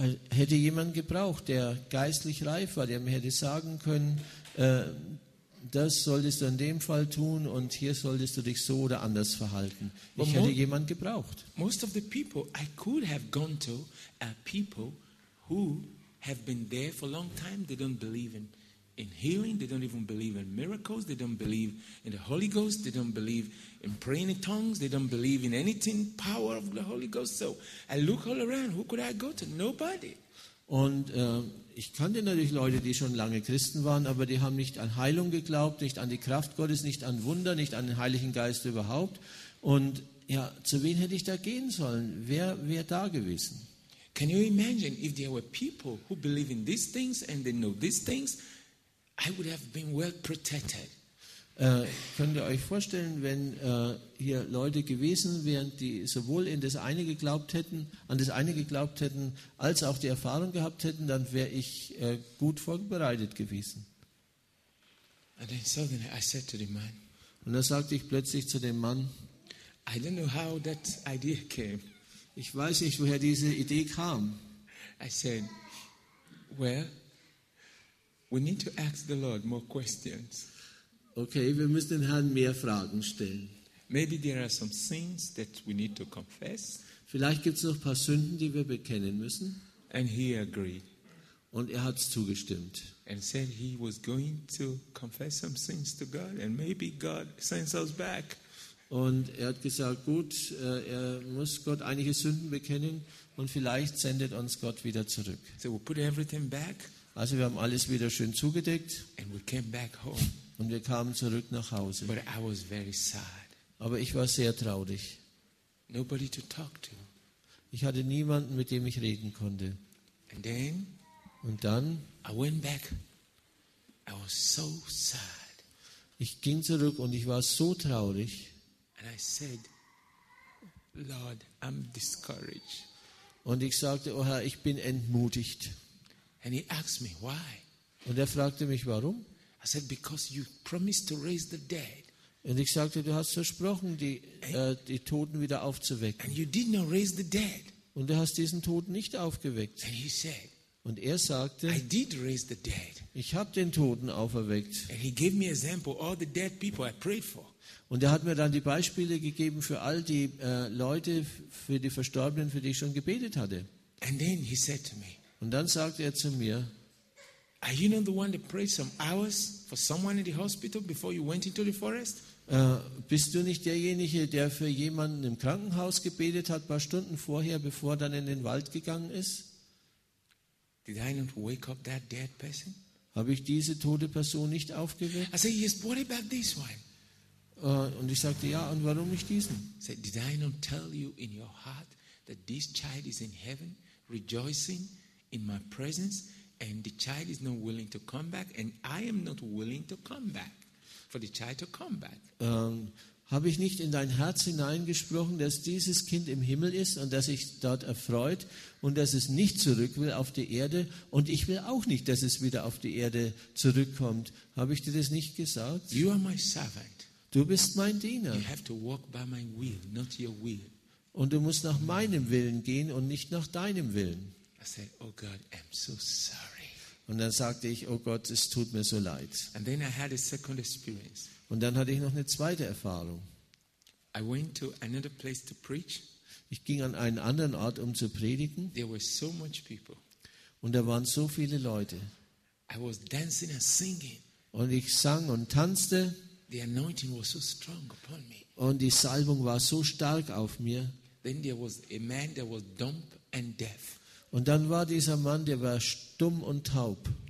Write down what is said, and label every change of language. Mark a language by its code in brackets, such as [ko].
[de] Hätte jemand gebraucht, der geistlich reif war, der mir hätte sagen können, das solltest du in dem Fall tun und hier solltest du dich so oder anders verhalten. Ich hätte jemand gebraucht. [en] Most of the people I could have gone to are people who have been there for a long time. They don't believe in healing. They don't even believe in miracles. They don't believe in the Holy Ghost. They don't believe in praying in tongues. They don't believe in anything power of the Holy Ghost. So I look all around. Who could I go to? Nobody. [de] Und ich kannte natürlich Leute, die schon lange Christen waren, aber die haben nicht an Heilung geglaubt, nicht an die Kraft Gottes, nicht an Wunder, nicht an den Heiligen Geist überhaupt. Und ja, zu wem hätte ich da gehen sollen? Wer wäre da gewesen? [en] Can you imagine if there were people who believe in these things and they know these things? I would have been well protected. [de] Könnt ihr euch vorstellen, wenn hier Leute gewesen wären, die sowohl in das eine geglaubt hätten, an das eine geglaubt hätten, als auch die Erfahrung gehabt hätten, dann wäre ich gut vorbereitet gewesen. [en] And then suddenly I said to the man, [de] und dann sagte ich plötzlich zu dem Mann, [en] I don't know how that idea came. [de] Ich weiß nicht, woher diese Idee kam. [en] I said, well, we need to ask the Lord more questions. [de] Okay, wir müssen den Herrn mehr Fragen stellen. [en] Maybe there are some sins that we need to confess. [de] Vielleicht gibt es noch ein paar Sünden, die wir bekennen müssen. [en] And he agreed. [de] Und er hat es zugestimmt. [en] And said he was going to confess some sins to God and maybe God sends us back. [de] Und er hat gesagt, gut, er muss Gott einige Sünden bekennen und vielleicht sendet uns Gott wieder zurück. [en] So we put everything back. [de] Also wir haben alles wieder schön zugedeckt. [en] And we came back home. [de] Und wir kamen zurück nach Hause. [en] But I was very sad. [de] Aber ich war sehr traurig. [en] Nobody to talk to. [de] Ich hatte niemanden, mit dem ich reden konnte. [en] And then, [de] und dann [en] I went back. I was so sad. [de] Ich ging zurück und ich war so traurig. [en] And I said, Lord, I'm discouraged. [de] Und ich sagte, oh Herr, ich bin entmutigt. [en] And he asked me, why? [de] Und er fragte mich, warum? [en] I said, because you promised to raise the dead. [de] Und ich sagte, du hast versprochen, die Toten wieder aufzuwecken. [en] And you did not raise the dead. [de] Und du hast diesen Toten nicht aufgeweckt. [en] And he said, [de] und er sagte, [en] I did raise the dead. [de] Ich habe den Toten auferweckt. [en] And he gave me an example of all the dead people I prayed for. [de] Und er hat mir dann die Beispiele gegeben für all die Leute, für die Verstorbenen, für die ich schon gebetet hatte. [en] And then he said to me, [de] und dann sagte er zu mir, [en] are you not the one that prayed some hours for someone in the hospital before you went into the forest? [de] Bist du nicht derjenige, der für jemanden im Krankenhaus gebetet hat, ein paar Stunden vorher, bevor er dann in den Wald gegangen ist? [en] Did I not wake up that dead person? [de] Habe ich diese tote Person nicht aufgeweckt? [en] I said, yes, what about this one? [de] Und ich sagte, ja, und warum nicht diesen? [en] I said, did I not tell you in your heart that this child is in heaven rejoicing in my presence? And the child is not willing to come back, and I am not willing to come back for the child to come back. [de] Habe ich nicht in dein Herz hineingesprochen, dass dieses Kind im Himmel ist und dass ich dort erfreut und dass es nicht zurück will auf die Erde und ich will auch nicht, dass es wieder auf die Erde zurückkommt? Habe ich dir das nicht gesagt? [en] You are my servant. [de] Du bist mein Diener. [en] You have to walk by my will, not your will. [de] Und du musst nach meinem Willen gehen und nicht nach deinem Willen. [en] I said, oh God, I'm so sorry. [de] Und dann sagte ich, oh Gott, es tut mir so leid. [en] And then I had a second experience. [de] Und dann hatte ich noch eine zweite Erfahrung. [en] I went to another place to preach. [de] Ich ging an einen anderen Ort, um zu predigen. [en] There were so much people. [de] Und da waren so viele Leute. [en] I was dancing and singing. [de] Und ich sang und tanzte. [en] The anointing was so strong upon me. [de] Und die Salbung war so stark auf mir. [en] Then there was a man that was dumb and deaf. [de] Und dann war dieser Mann, der war stumm und taub.